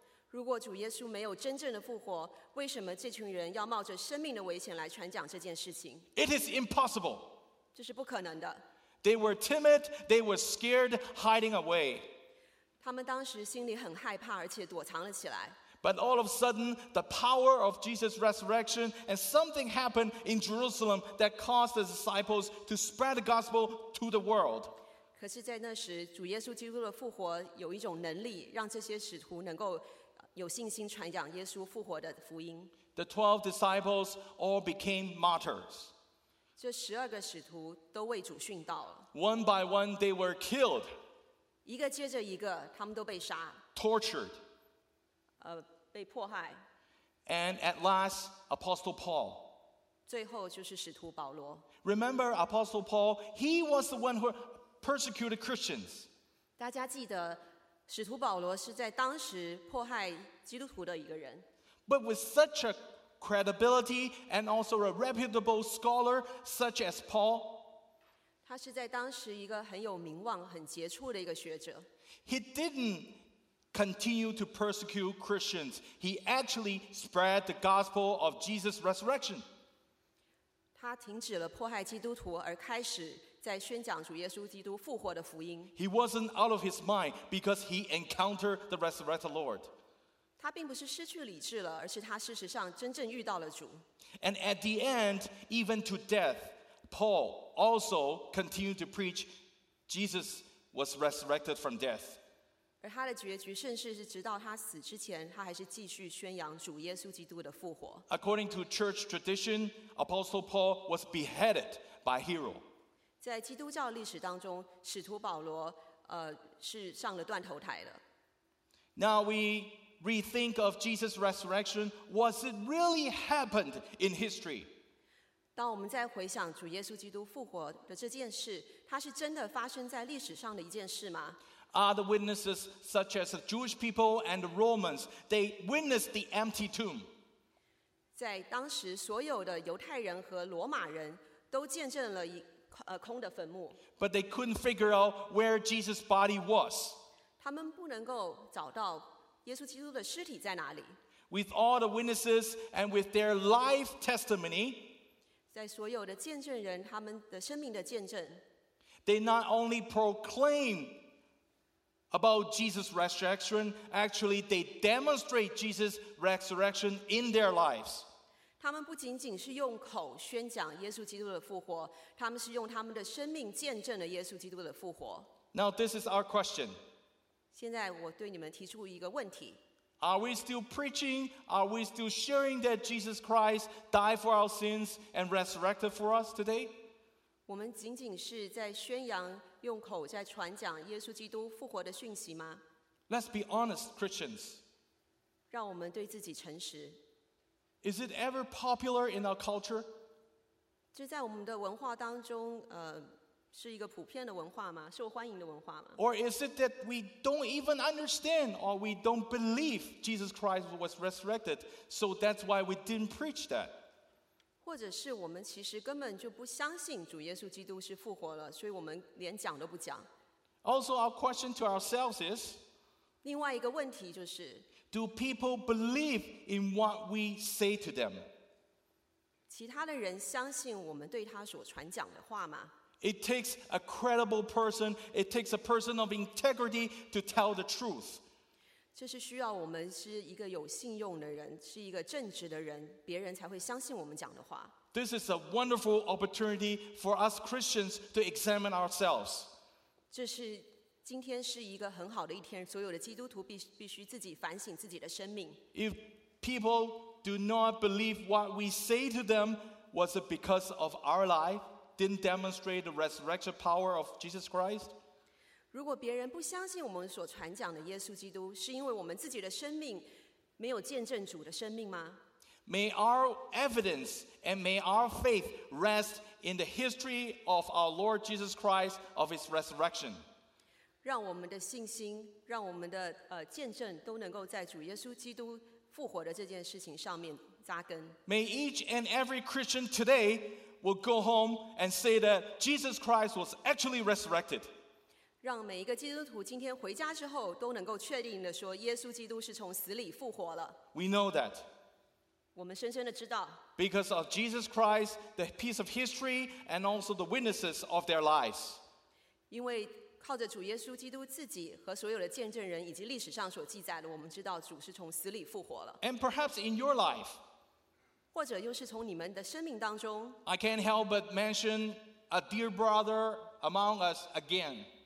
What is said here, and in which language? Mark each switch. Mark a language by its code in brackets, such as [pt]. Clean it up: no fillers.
[zh] 如果主耶稣没有真正的复活，为什么这群人要冒着生命的危险来传讲这件事情？ [en] It is impossible. [zh] 这是不可能的。 [en] They were timid, they were scared, hiding away. [zh] 他们当时心里很害怕，而且躲藏了起来。 [en] But all of a sudden, the power of Jesus' resurrection and something happened in Jerusalem that caused the disciples to spread the gospel to the world. [zh] 可是在那时，主耶稣基督的复活有一种能力，让这些使徒能够有信心传讲耶稣复活的福音。 [en] The 12 disciples all became martyrs. [zh] 这十二个使徒都为主殉道了。 [en] One by one, they were killed. [zh] 一个接着一个，他们都被杀。 [en] Tortured. [zh] 被迫害。 [en] And at last, Apostle Paul. [zh] 最后就是使徒保罗。 [en] Remember Apostle Paul? He was the one who persecuted Christians. [zh] 大家记得。使徒保罗是在当时迫害基督徒的一个人。 [en] But with such a credibility and also a reputable scholar such as Paul, [zh] 他是在当时一个很有名望、很杰出的一个学者。 [en] He didn't continue to persecute Christians. He actually spread the gospel of Jesus' resurrection. [zh] 他停止了迫害基督徒，而开始。在宣讲主耶稣基督复活的福音。 [en] He wasn't out of his mind because he encountered the resurrected Lord. [zh] 他并不是失去理智了，而是他事实上真正遇到了主。 [en] And at the end, even to death, Paul also continued to preach Jesus was resurrected from death. [zh] 而他的结局，甚至是直到他死之前，他还是继续宣扬主耶稣基督的复活。 [en] According to church tradition, Apostle Paul was beheaded by Nero. [zh] 在基督教历史当中，使徒保罗是上了断头台的。 [en] Now we rethink of Jesus' resurrection. Was it really happened in history? [zh] 当我们再回想主耶稣基督复活的这件事，它是真的发生在历史上的一件事吗？ [en] Are the witnesses such as the Jewish people and the Romans? They witnessed the empty tomb. [zh] 在当时，所有的犹太人和罗马人都见证了空的坟墓。 [en] But they couldn't figure out where Jesus' body was. [zh] 他们不能够找到耶稣基督的尸体在哪里。 [en] With all the witnesses and with their life testimony, [zh] 在所有的见证人他们的生命的见证， [en] they not only proclaim about Jesus' resurrection, actually they demonstrate Jesus' resurrection in their lives. [zh] 他们不仅仅是用口宣讲耶稣基督的复活，他们是用他们的生命见证了耶稣基督的复活。 [en] Now this is our question. [zh] 现在我对你们提出一个问题。 [en] Are we still preaching? Are we still sharing that Jesus Christ died for our sins and resurrected for us today? [zh] 我们仅仅是在宣扬用口在传讲耶稣基督复活的讯息吗？ [en] Let's be honest, Christians. [zh] 让我们对自己诚实。 [en] Is it ever popular in our culture? [zh] 这在我们的文化当中，是一个普遍的文化吗？受欢迎的文化吗？ [en] Or is it that we don't even understand or we don't believe Jesus Christ was resurrected, so that's why we didn't preach that? [zh] 或者是我们其实根本就不相信主耶稣基督是复活了，所以我们连讲都不讲。 [en] Also, our question to ourselves is, [zh] 另外一个问题就是， [en] Do people believe in what we say to them? [zh] 其他的人相信我们对他所传讲的话吗？ [en] It takes a credible person, it takes a person of integrity to tell the truth. [zh] 这是需要我们是一个有信用的人，是一个正直的人，别人才会相信我们讲的话。 [en] This is a wonderful opportunity for us Christians to examine ourselves. [zh] 这是今天是一个很好的一天，所有的基督徒必须自己反省自己的生命。 [en] If people do not believe what we say to them, was it because of our life didn't demonstrate the resurrection power of Jesus Christ? [zh] 如果别人不相信我们所传讲的耶稣基督，是因为我们自己的生命没有见证主的生命吗？ [en] May our evidence and may our faith rest in the history of our Lord Jesus Christ of his resurrection. [zh] 让我们的信心，让我们的见证都能够在主耶稣基督复活的这件事情上面扎根。 [en] May each and every Christian today will go home and say that Jesus Christ was actually resurrected. [zh] 让每一个基督徒今天回家之后都能够确定地说耶稣基督是从死里复活了。 [en] We know that. [zh] 我们深深地知道。 [en] Because of Jesus Christ, the piece of history and also the witnesses of their lives. [zh] 因为靠着主耶稣基督自己和所有的见证人以及历史上所记载的，我们知道主是从死里复活了。 [en] And perhaps in your life, [zh] 或者又是从你们的生命当中， [en] I can't help but mention a dear brother among us again.